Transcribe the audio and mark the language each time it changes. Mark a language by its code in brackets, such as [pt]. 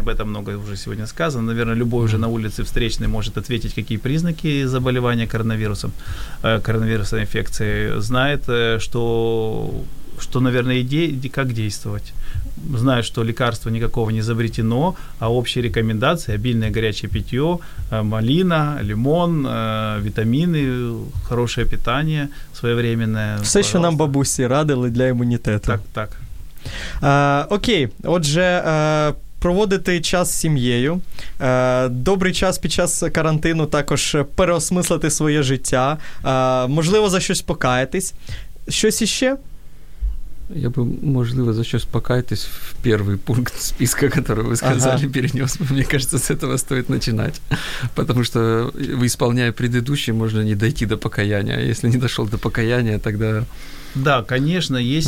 [ru] Об этом много уже сегодня сказано. Наверное, любой уже на улице встречный может ответить, какие признаки заболевания коронавирусом, коронавирусной инфекцией, знает, что, наверное, идеи, как действовать. Знаю, что лекарства никакого не изобретено, а общие рекомендации – обильное горячее питье, малина, лимон, витамины, хорошее питание, своевременное. Все, пожалуйста, [uk] що нам бабусі радили для імунітету. Так, так. Окей, отже, проводити час з сім'єю, добрий час під час карантину також переосмислити своє життя, можливо, за щось покаятись, щось іще? [ru] Я бы, [uk] можливо, [ru] за что спокайтесь в первый пункт списка, который вы сказали, ага, перенес. Мне кажется, с этого стоит начинать. Потому что, исполняя предыдущие, можно не дойти до покаяния. Если не дошел до покаяния, тогда... Да, конечно, есть